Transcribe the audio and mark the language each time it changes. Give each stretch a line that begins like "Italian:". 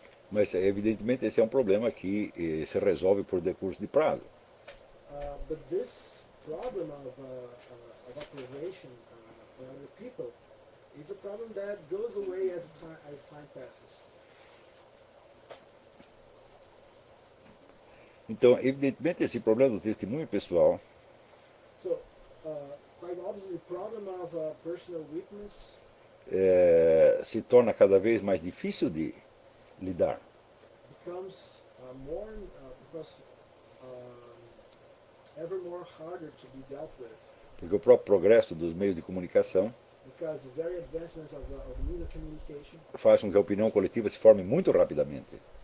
Portuguese: Mas evidentemente esse é um problema que se resolve por decurso de prazo.
English: But this problem of approbation by other people, it's a problem that goes away as time passes.
Portuguese: Então, evidentemente, esse problema do testemunho pessoal,
English: so, quite obviously, the problem of personal witness,
Portuguese: se torna cada vez mais difícil de lidar.
English: Becomes more, because ever more harder to be dealt with.
Portuguese: Porque o próprio progresso dos meios de comunicação,
English: because the very advancements of the means of communication,
Portuguese: faz com que a opinião coletiva se forme muito rapidamente.